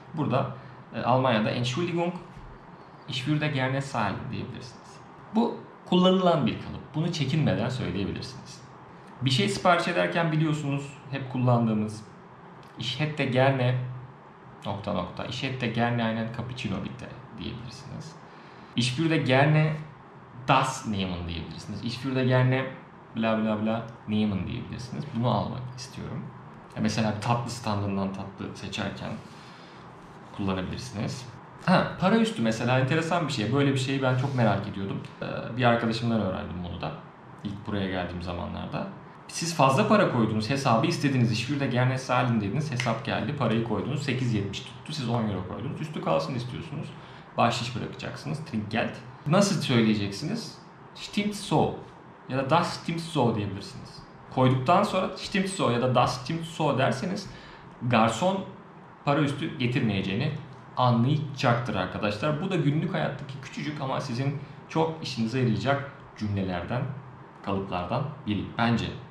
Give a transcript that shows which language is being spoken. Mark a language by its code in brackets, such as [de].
[tr] Burada Almanya'da [de] Entschuldigung, ich würde gerne zahlen [tr] diyebilirsiniz. Bu kullanılan bir kalıp. Bunu çekinmeden söyleyebilirsiniz. Bir şey sipariş ederken biliyorsunuz hep kullandığımız [de] ich hätte gerne [tr] nokta nokta. [de] Ich hätte gerne einen cappuccino bitte [tr] diyebilirsiniz. [de] Ich würde gerne das nehmen diyebilirsiniz. Ich würde gerne bla bla bla nehmen [tr] diyebilirsiniz. Bunu almak istiyorum. Ya mesela tatlı standından tatlı seçerken kullanabilirsiniz. Ha, para üstü mesela enteresan bir şey. Böyle bir şeyi ben çok merak ediyordum. Bir arkadaşımdan öğrendim bunu da. İlk buraya geldiğim zamanlarda. Siz fazla para koydunuz hesabı, istediğiniz iş bir de gernesi halindeydiniz, hesap geldi, parayı koydunuz, 8.70 tuttu, siz 10 euro koydunuz, üstü kalsın istiyorsunuz, bahşiş bırakacaksınız, trinket. Nasıl söyleyeceksiniz? [de] Stimmt so [tr] ya da [de] das stimmt so [tr] diyebilirsiniz. Koyduktan sonra [de] stimmt so [tr] ya da [de] das stimmt so [tr] derseniz garson para üstü getirmeyeceğini anlayacaktır arkadaşlar. Bu da günlük hayattaki küçücük ama sizin çok işinize yarayacak cümlelerden, kalıplardan biri bence.